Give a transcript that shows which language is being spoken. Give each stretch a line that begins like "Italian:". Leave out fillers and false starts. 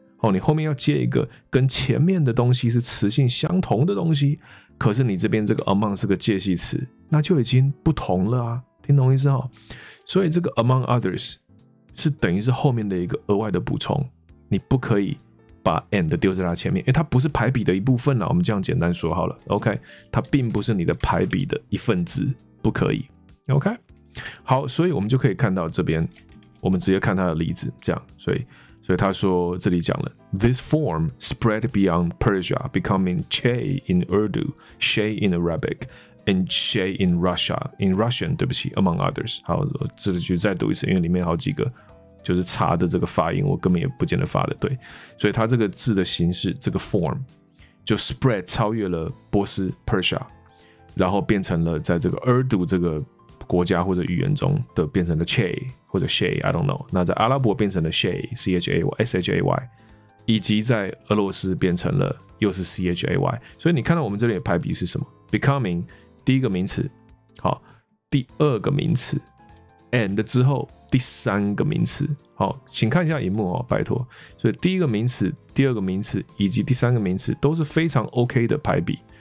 Chinese: 哦，你后面要接一个跟前面的东西是词性相同的东西，可是你这边这个 among 是个介系词，那就已经不同了啊，听懂意思哦？所以这个 among others。是等于是后面的一个额外的补充，你不可以把 and 丢在它前面，因为它不是排比的一部分啦，我们这样简单说好了， OK， 它并不是你的排比的一份子，不可以， OK。好，所以我们就可以看到这边，我们直接看它的例子，这样，所以他说这里讲了
English: This form spread beyond Persia becoming Che in Urdu, She in ArabicAnd Shay in Russia, in Russian,
Chinese: 对不起
English: among others.
Chinese: 好，我这里就再读一次，因为里面好几个就是差的这个发音，我根本也不见得发的对。所以它这个字的形式，这个 form 就 spread 超越了波斯 Persia， 然后变成了在这个 Urdu 这个国家或者语言中的变成了 Che 或者 Shay,
English: I don't know.
Chinese: 那在阿拉伯变成了 Shay, C H A Y, S H A Y， 以及在俄罗斯变成了又是 C H A Y。所以你看到我们这里的排比是什么 ？Becoming。第一个名词，好，第二个名词 ，and 之后第三个名词，好，请看一下荧幕哦，拜托。所以第一个名词、第二个名词以及第三个名词都是非常 OK 的排比，